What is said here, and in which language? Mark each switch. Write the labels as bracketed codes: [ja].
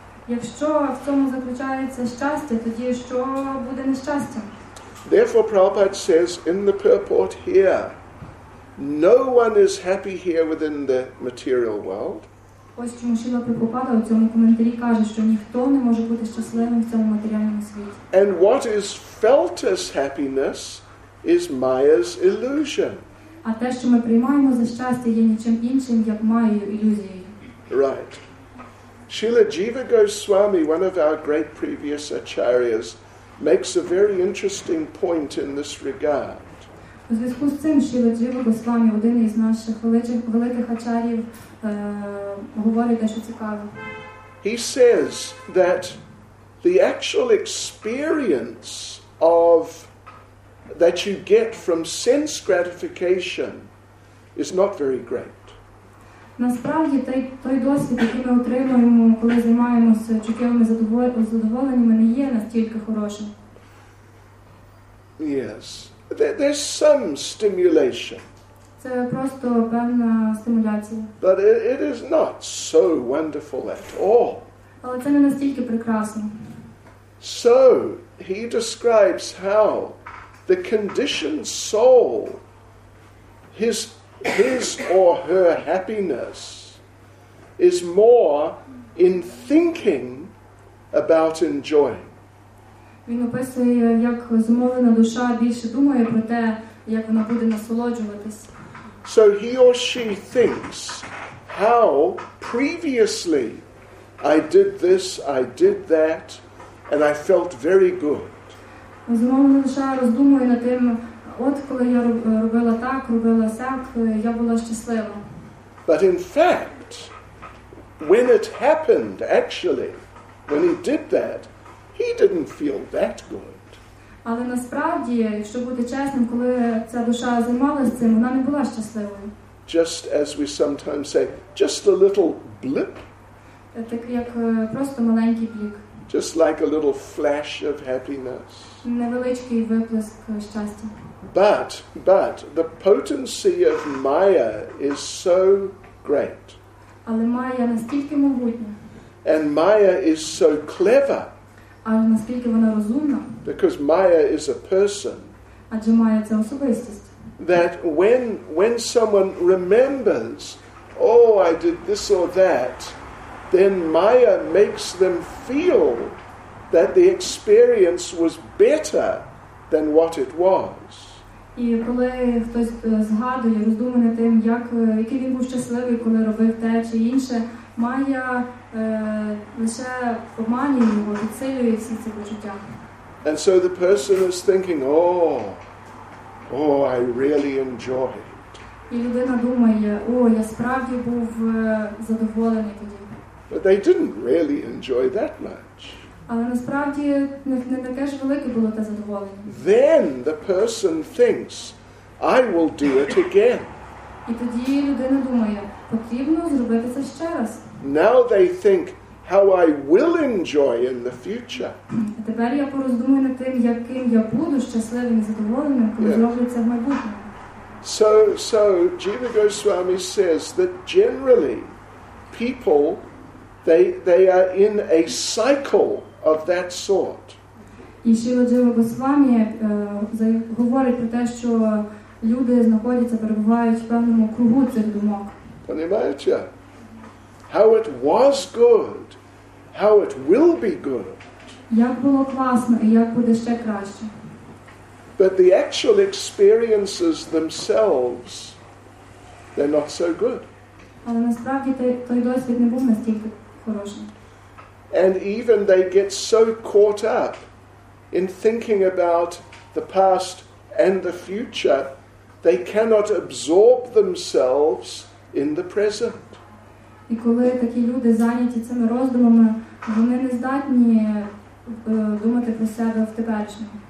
[uk] Якщо в цьому заключається щастя, тоді що буде нещастям? [en] Therefore Prabhupada says in the purport here, no one is happy here within the material world. [uk] Ось чому Шіла Прабхупада у цьому коментарі каже, що ніхто не може бути щасливим в цьому матеріальному світі. [en] And what is felt as happiness is Maya's illusion. [uk] А те, що ми приймаємо за щастя, є нічим іншим, як Майєю ілюзією. [en] Right. Шіла Джіва Госвамі, one of our great previous acharyas, makes a very interesting point in this regard. [uk] У зв'язку з цим, Шіла Джіва Госвамі, один із наших великих ачар'їв, говорить дещо цікаве. [en] He says that the actual experience of that you get from sense gratification is not very great. [uk] Насправді, той досвід, який ми отримуємо, коли займаємося чуттєвими задоволеннями, не є настільки хорошим. [en] Yes. There's some stimulation. [uk] Це просто певна стимуляція. [en] But it is not so wonderful at all. [uk] Але це не настільки прекрасно. [en] So, he describes how the conditioned soul, his or her happiness, is more in thinking about enjoying. [uk] Він описує, як змовлена душа більше думає про те, як вона буде насолоджуватись. [en] So he or she thinks, how previously I did this, I did that, and I felt very good. [uk] Змовлена душа роздумує над тим, от коли я робила так, робила сяк, я була щаслива. [en] But in fact, when it happened, actually, when he did that, he didn't feel that good. [uk] Але насправді, якщо бути чесним, коли ця душа займалася цим, вона не була щасливою. [en] Just as we sometimes say, just a little blip. [uk] Так як просто маленький блик. [en] Just like a little flash of happiness. [uk] Невеличкий виплеск щастя. [en] But the potency of Maya is so great. [uk] Але Maya настільки могутня. [en] And Maya is so clever. [uk] Але наскільки вона розумна. [en] Because Maya is a person. [uk] Адже Maya це особистість. [en] That when someone remembers, oh, I did this or that, then Maya makes them feel that the experience was better than what it was. [uk] І коли хтось згадує, роздумує над тим, який він був щасливий, коли робив те чи інше, Maya лише обманює його, підсилює всі ці почуття. [en] And so the person is thinking, oh, I really enjoy it. [uk] І людина думає, я справді був задоволений тоді. [en] But they didn't really enjoy that much. [uk] Але насправді не таке ж велике було те задоволення. [en] Then the person thinks, I will do it again. [uk] І тоді людина думає, потрібно зробити це ще раз. [en] Now they think, how I will enjoy in the future. [uk] А тепер я пороздумую над тим, яким я буду щасливим і задоволеним, коли зроблю це в майбутньому. [en] So Jiva Goswami says that generally people they are in a cycle of that sort. [uk] І Шіла Джива Госвамі говорить про те, що люди знаходяться, перебувають в певному кругу цих думок. [ru] Понимаете? [en] How it was good, how it will be good. [uk] Як було класно і як буде ще краще. [en] But the actual experiences themselves, they're not so good. [uk] Але насправді той досвід не був настільки [en] And even they get so caught up in thinking about the past and the future, they cannot absorb themselves in the present. [uk] І коли такі люди зайняті цими роздумами, вони не здатні думати про себе в теперішньому.